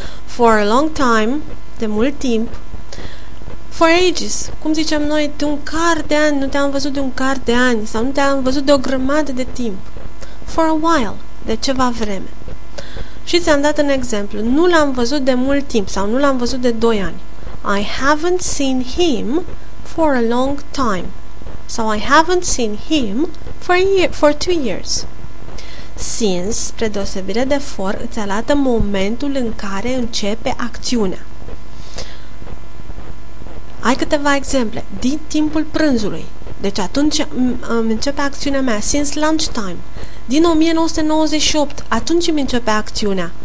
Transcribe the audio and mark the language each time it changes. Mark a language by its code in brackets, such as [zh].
[en] For a long time, [ro] de mult timp. [en] For ages, [ro] cum zicem noi, de un car de ani, nu te-am văzut de un car de ani, sau nu te-am văzut de o grămadă de timp. [en] For a while, [ro] de ceva vreme. Și ți-am dat un exemplu, nu l-am văzut de mult timp, sau nu l-am văzut de 2 ani. [en] I haven't seen him for a long time. So I haven't seen him for 2 years. [ro] Since, spre deosebire de for, îți arată momentul în care începe acțiunea. Ai câteva exemple. Din timpul prânzului. Deci atunci începe acțiunea mea. [en] Since lunchtime. [ro] Din 1998. Atunci îmi începe acțiunea.